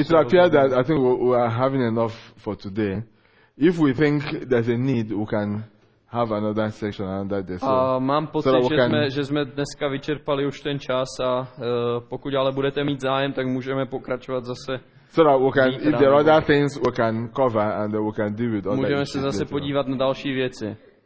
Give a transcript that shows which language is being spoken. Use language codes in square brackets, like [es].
[en] It appears that I think we are having enough for today. If we think there's a need, we can have another section on that. [cs] A mám pocit, že jsme dneska vyčerpali už ten čas a pokud ale budete mít zájem, tak můžeme pokračovat zase. [en] So that we can, if there are other things we can cover and we can deal with other issues. [cs] Můžeme se zase podívat na další věci.